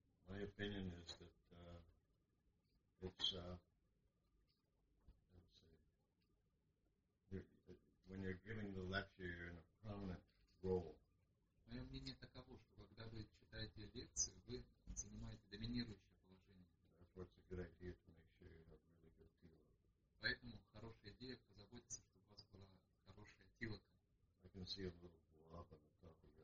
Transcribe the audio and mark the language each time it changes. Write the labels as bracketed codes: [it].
[en] My opinion is that when you're giving the lecture, you're in a prominent role. [ru] Мое мнение таково, что когда вы читаете лекцию, вы занимаете доминирующее положение. [en] Therefore, it's a good idea to make sure you have really good tilaka. [ru] Поэтому хорошая идея позаботиться, чтобы у вас была хорошая тилака. [en] I can see a little blob on the top.